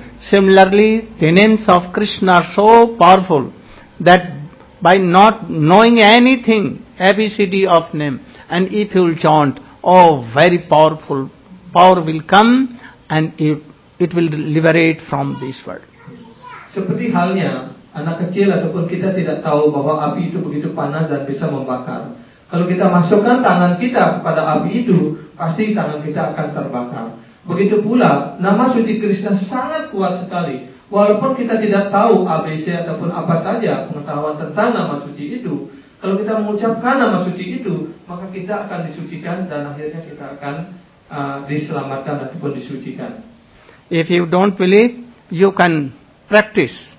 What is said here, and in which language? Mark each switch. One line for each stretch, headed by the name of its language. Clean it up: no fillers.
English: Similarly, the names of Krishna are so powerful that by not knowing anything, ABCD of name, and if you will chant, oh, very powerful, power will come and it will liberate from this world.
Indonesian: Seperti halnya, anak kecil ataupun kita tidak tahu bahwa api itu begitu panas dan bisa membakar. Kalau kita masukkan tangan kita kepada api itu, pasti tangan kita akan terbakar. Begitu pula, nama suci Krishna sangat kuat sekali. Walaupun kita tidak tahu ABC ataupun apa saja pengetahuan tentang nama suci itu, kalau kita mengucapkan nama suci itu, maka kita akan disucikan dan akhirnya kita akan diselamatkan ataupun disucikan.
English: If you don't believe, you can practice.